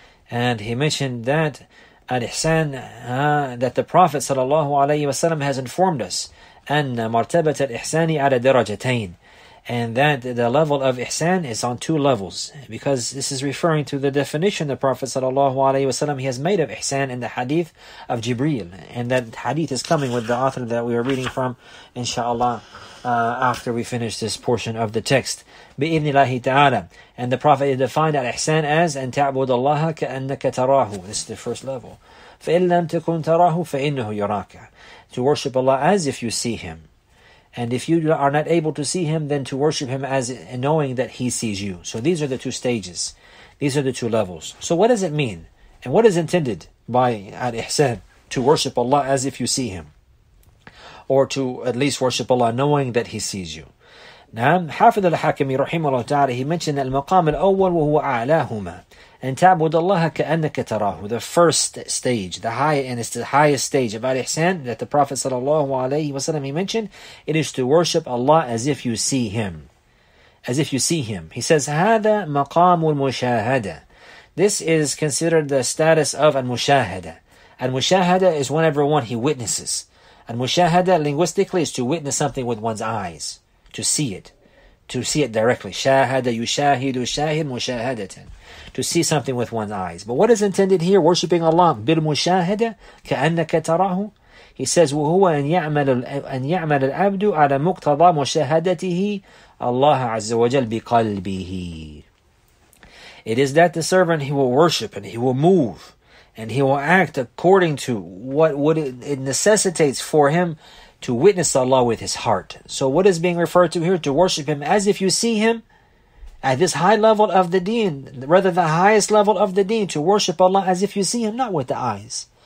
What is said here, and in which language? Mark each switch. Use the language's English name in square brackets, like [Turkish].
[English] And he mentioned that al-Ihsan, that the Prophet sallallahu alayhi wasallam has informed us, [Arabic] أَنَّ مَرْتَبَةَ الْإِحْسَانِ عَلَى دَرَجَتَيْنِ, [English] and that the level of Ihsan is on two levels, because this is referring to the definition the Prophet sallallahu alaihi wasallam he has made of Ihsan in the hadith of Jibreel. And that hadith is coming with the author that we are reading from, inshallah, after we finish this portion of the text. Bi'idhnillahi ta'ala. And the Prophet defined al-Ihsan as, [Arabic] أن تعبد الله كأنك تراه. [English] This is the first level. [Arabic] فإن لم تكن تراه فإنه يراك. [English] To worship Allah as if you see Him. And if you are not able to see Him, then to worship Him as knowing that He sees you. So these are the two stages. These are the two levels. So what does it mean? And what is intended by al-Ihsan? To worship Allah as if you see Him. Or to at least worship Allah knowing that He sees you. Now, Hafidh al-Hakimi, rahimahullah ta'ala, he mentioned that [Arabic] al-maqam al-awwal wa huwa a'lahuma. [English] And [Arabic] ta'bud Allah ka'annaka tarahu. [English] The first stage, the highest stage of al-Ihsan that the Prophet sallallahu alayhi wa sallam he mentioned, it is to worship Allah as if you see Him. As if you see Him. He says, [Arabic] هذا مقام المشاهدة. [English] This is considered the status of al-mushahada. Al-mushahada is whenever one he witnesses. Al-mushahada linguistically is to witness something with one's eyes. To see it directly. [Arabic] Shahada yushahidu shahid mushahadatan. [English] To see something with one's eyes. But what is intended here? Worshipping Allah. [Arabic] Bil mushahada ka'annaka tarahu. [English] He says, [Arabic] وَهُوَ أَنْ يَعْمَلَ الْعَبْدُ عَلَى مُقْتَضَى مُشَاهَدَتِهِ اللَّهَ عَزَّ وَجَلْ بِقَلْبِهِ. [English] It is that the servant, he will worship and he will move and he will act according to what it necessitates for him to witness Allah with his heart. So what is being referred to here? To worship Him as if you see Him. At this high level of the deen, rather the highest level of the deen, to worship Allah as if you see Him, not with the eyes.